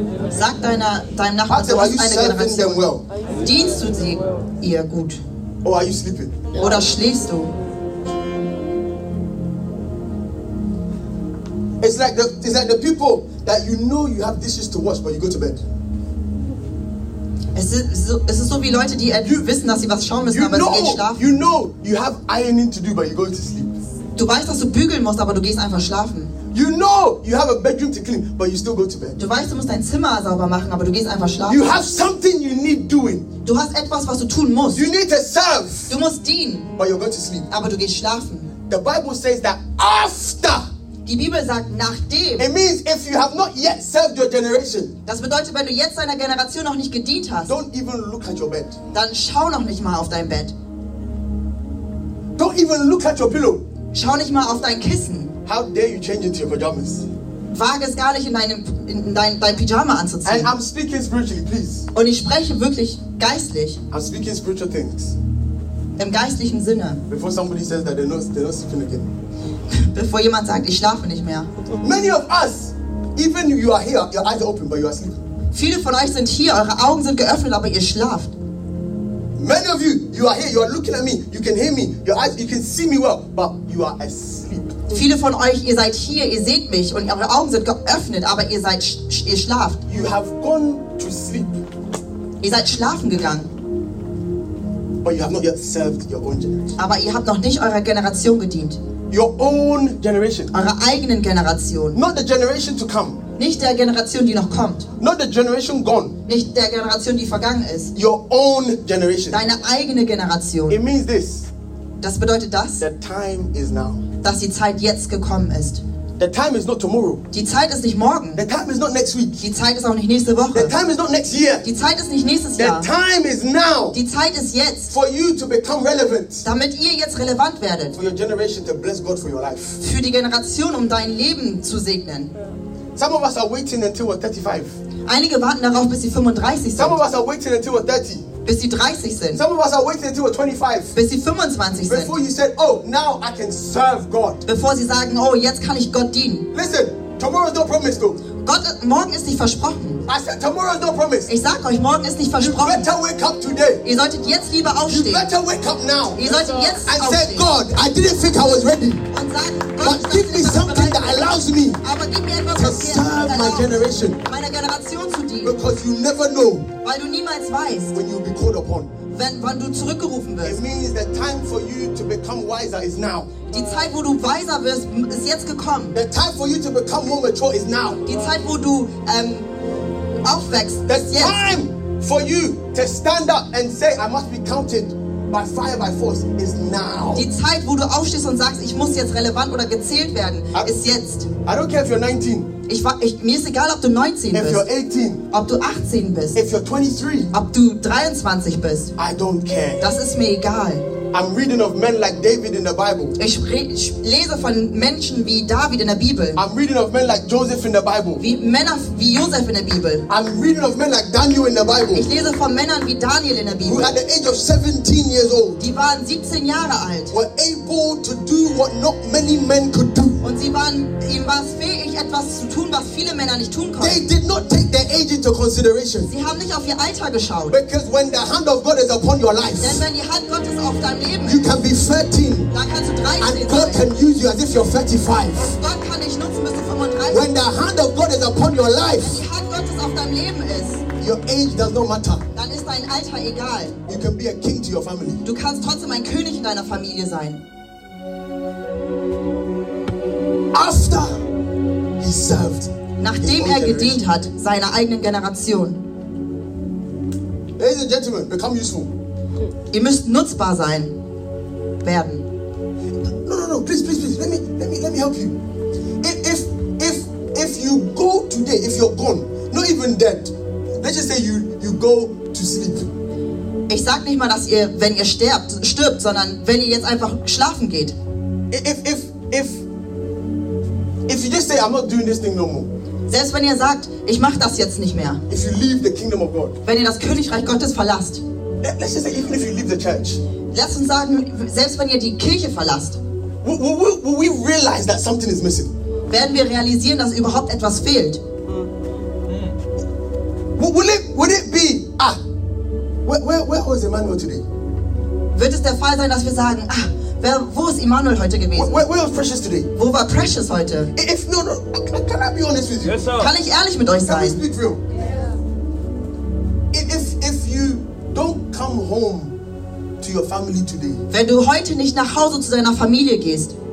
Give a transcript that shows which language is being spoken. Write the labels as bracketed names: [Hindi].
[German] Sag deinem Nachbarn, du hast eine Generation. Well? Dienst du sie ihr gut? [English] Or are you sleeping? [German] Oder schläfst du? [English] It's like the people that you know you have dishes to wash, but you go to bed. [German] Es ist so wie Leute, die wissen, dass sie was schauen müssen, aber sie gehen schlafen. [English] You know you have ironing to do, but you go to sleep. [German] Du weißt, dass du bügeln musst, aber du gehst einfach schlafen. [English] You know you have a bedroom to clean, but you still go to bed. [German] Du weißt, du musst dein Zimmer sauber machen, aber du gehst einfach schlafen. [English] You have something you need doing. [German] Du hast etwas, was du tun musst. [English] You need to serve. [German] Du musst dienen. [English] But you're going to sleep. [German] Aber du gehst schlafen. [English] The Bible says that after. [German] Die Bibel sagt nachdem. [English] It means if you have not yet served your generation. [German] Das bedeutet, wenn du jetzt deiner Generation noch nicht gedient hast. [English] Don't even look at your bed. [German] Dann schau noch nicht mal auf dein Bett. [English] Don't even look at your pillow. [German] Schau nicht mal auf dein Kissen. [English] How dare you change into your pajamas? [German] Wage es gar nicht, in dein Pyjama anzuziehen. [English] And I'm speaking spiritually, please. [German] Und ich spreche wirklich geistlich. [English] I'm speaking spiritual things. [German] Im geistlichen Sinne. [English] Before somebody says that they're not sleeping again. [German] Bevor jemand sagt, ich schlafe nicht mehr. [English] Many of us, even you are here, your eyes are open, but you are asleep. [German] Viele von euch sind hier, eure Augen sind geöffnet, aber ihr schlaft. [English] Many of you, you are here, you are looking at me, you can hear me, your eyes, you can see me well, but you are asleep. [German] Viele von euch, ihr seid hier, ihr seht mich und eure Augen sind geöffnet, aber ihr schlaft. [English] You have gone to sleep. [German] Ihr seid schlafen gegangen. [English] But you have not yet served your own generation. [German] Aber ihr habt noch nicht eurer Generation gedient. [English] Your own generation. [German] Eurer eigenen Generation. [English] Not the generation to come. [German] Nicht der Generation, die noch kommt. [English] Not the generation gone. [German] Nicht der Generation, die vergangen ist. [English] Your own generation. [German] Deine eigene Generation. [English] It means this. [German] Das bedeutet das. [English] The time is now. [German] Dass die Zeit jetzt gekommen ist. [English] The time is not tomorrow. [German] Die Zeit ist nicht morgen. [English] The time is not next week. [German] Die Zeit ist auch nicht nächste Woche. [English] The time is not next year. [German] Die Zeit ist nicht nächstes Jahr. [English] The time is now. [German] Die Zeit ist jetzt. [English] For you to become relevant. [German] Damit ihr jetzt relevant werdet. [English] For your generation to bless God for your life. [German] Für die Generation, um dein Leben zu segnen. [English] Some of us are waiting until we're 35. [German] Einige warten darauf, bis sie 35 sind. [English] Some of us are waiting until we're 30. [German] Bis sie 30 sind. [English] Some of us are waiting until we're 25. [German] Bis sie 25 sind. [English] Before you said, oh, now I can serve God. [German] Bevor sie sagen, oh, jetzt kann ich Gott dienen. [English] Listen, tomorrow is no promise though. [German] Gott, morgen ist nicht versprochen. [English] I said, tomorrow is no promise. [German] Ich sag euch, morgen ist nicht versprochen. [English] You better wake up today. [German] Ihr solltet jetzt lieber aufstehen. [English] You better wake up now. [German] Ihr solltet jetzt [English] and [German] aufstehen. [English] And say, God, I didn't think I was ready. [German] Und sag, Gott, [English] but give me something that allows me [German] aber gib mir etwas, [English] to serve my generation. [German] Meiner Generation zu dienen. [English] Because you never know. [German] Weil du niemals weißt, [English] when you'll be called upon. [German] Wann du zurückgerufen wirst. [English] It means the time for you to become wiser is now. [German] Die Zeit, wo du weiser wirst, ist jetzt gekommen. [English] The time for you to become more mature is now. [German] Die Zeit, wo du aufwächst, [English] the [German] ist jetzt. [English] Time for you to stand up and say, I must be counted by fire, by force, is now. [German] Die Zeit, wo du aufstehst und sagst, ich muss jetzt relevant oder gezählt werden, ist jetzt. [English] I don't care if you're 19. [German] Mir ist egal, ob du 19 [English] if [German] bist. [English] You're 18, [German] ob du 18 bist. [English] If you're 23, [German] ob du 23 bist. [English] I don't care. [German] Das ist mir egal. [English] I'm reading of men like David in the Bible. [German] Ich lese von Menschen wie David in der Bibel. [English] I'm reading of men like Joseph in the Bible. [German] Wie Josef in der Bibel. [English] I'm reading of men like Daniel in the Bible. [German] Ich lese von Männern wie Daniel in der Bibel. [English] Who at the age of 17 years old. [German] Die waren 17 Jahre alt. [English] Were able to do what not many men could do. [German] Und sie waren ihm was fähig, etwas zu tun, was viele Männer nicht tun konnten. [English] They did not take their age into consideration. [German] Sie haben nicht auf ihr Alter geschaut. [English] Because when the hand of God is upon your life. [German] Denn wenn die Hand Gottes auf dein Leben ist, [English] you can be 13. [German] Dann kannst du 13 [English] and [German] sein. [English] God can use you as if you're 35. [German] Und Gott kann dich nutzen, bis du 35. [English] When the hand of God is upon your life. [German] Wenn die Hand Gottes auf deinem Leben ist, [English] your age does not matter. [German] Dann ist dein Alter egal. [English] You can be a king to your family. [German] Du kannst trotzdem ein König in deiner Familie sein. [English] After he served, [German] nachdem er gedient hat seiner eigenen Generation. [English] Ladies and gentlemen, become useful. [German] Ihr müsst nutzbar sein werden. [English] No, please. Let me help you. If you go today, if you're gone, not even dead. Let's just say you go to sleep. [German] Ich sag nicht mal, dass ihr, wenn ihr stirbt, sondern wenn ihr jetzt einfach schlafen geht. [English] If you just say, I'm not doing this thing no more. [German] Selbst wenn ihr sagt, ich mache das jetzt nicht mehr. [English] If you leave the kingdom of God. [German] Wenn ihr das Königreich Gottes verlasst. [English] Let's just say, even if you leave the church. [German] Lasst uns sagen, selbst wenn ihr die Kirche verlasst. [English] Will we realize that something is missing? [German] Werden wir realisieren, dass überhaupt etwas fehlt? [English] Where was Emmanuel today? [German] Wird es der Fall sein, dass wir sagen, ah, wo ist Emmanuel heute gewesen? [English] Where was Precious today? [German] Wo war Precious heute? [English] If no, can I be honest with you? Yes, sir. [German] Kann ich ehrlich mit euch sein? [English] Can we speak real? Yeah. If you don't come home to your family today. [German] Wenn du heute nicht nach Hause zu deiner Familie gehst.